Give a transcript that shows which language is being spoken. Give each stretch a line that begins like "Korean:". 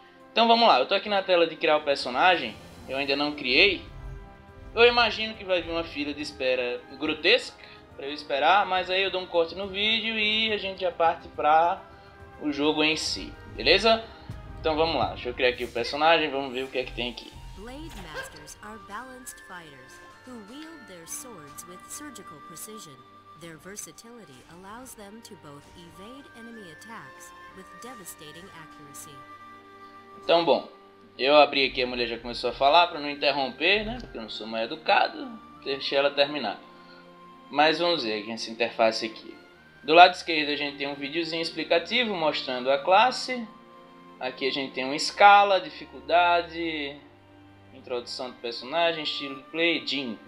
Portuguese: Então, vamos lá. Eu tô aqui na tela de criar o personagem. Eu ainda não criei. Eu imagino que vai vir uma fila de espera grotesca pra eu esperar. Mas aí, eu dou um corte no vídeo e a gente já parte pra o jogo em si. Beleza? Então vamos lá, deixa eu criar aqui o personagem, vamos ver o que é que tem aqui.
English: Blade Masters are balanced fighters who wield their swords with surgical precision. Their versatility allows them to both evade enemy attacks with devastating accuracy.
Portuguese: Então bom, eu abri aqui, a mulher já começou a falar para não interromper, né? Porque eu não sou mais educado, deixei ela terminar. Mas vamos ver aqui essa interface aqui. Do lado esquerdo a gente tem um videozinho explicativo mostrando a classe. Aqui a gente tem uma escala, dificuldade, introdução do personagem, estilo de play, Jin.